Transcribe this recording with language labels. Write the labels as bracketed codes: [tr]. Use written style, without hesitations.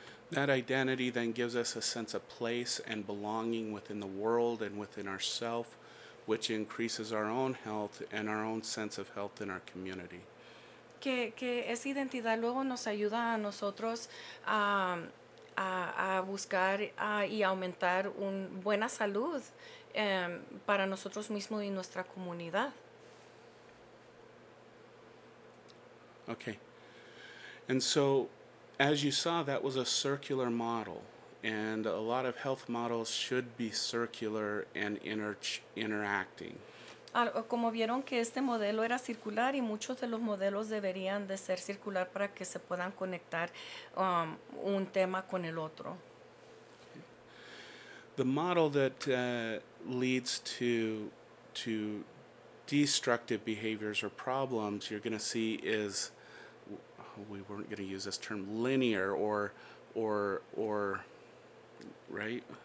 [en] That identity then gives us a sense of place and belonging within the world and within ourself, which increases our own health and our own sense of health in our community. [es] Que esa identidad luego nos ayuda a nosotros a buscar y aumentar una buena salud para nosotros mismos y nuestra comunidad. [en] Okay. And so, as you saw, that was a circular model, and a lot of health models should be circular and interacting. [es] Como vieron que este modelo era circular y muchos de los modelos deberían de ser circular para que se puedan conectar un tema con el otro. [en] The model that leads to destructive behaviors or problems you're going to see is, we weren't going to use this term, linear or right?